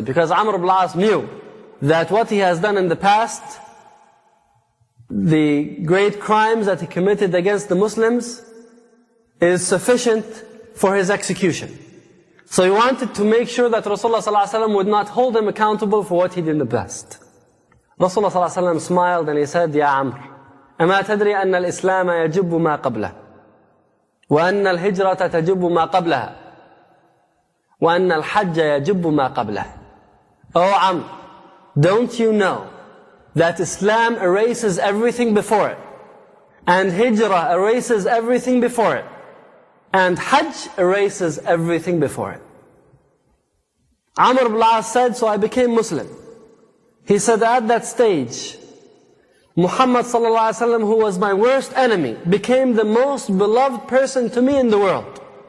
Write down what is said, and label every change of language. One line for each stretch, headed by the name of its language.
English: Because Amr ibn al-As knew that what he has done in the past, the great crimes that he committed against the Muslims, is sufficient for his execution. So he wanted to make sure that Rasulullah ﷺ would not hold him accountable for what he did in the past. Rasulullah ﷺ smiled and he said,
Arabic: "Ya Amr, أَمَا تَدْرِي أَنَّ الْإِسْلَامَ يَجُبُّ مَا قَبْلَهُ وَأَنَّ الْهِجْرَةَ تَجُبُّ مَا قَبْلَهَا وَأَنَّ الْحَجَّ يَجُبُّ مَا قَبْلَهُ."
English: "Oh Amr, don't you know that Islam erases everything before it, and Hijrah erases everything before it, and Hajj erases everything before it?" Amr ibn al-As said, "So I became Muslim." He said, "At that stage, Muhammad sallallahu alayhi wa sallam, who was my worst enemy, became the most beloved person to me in the world."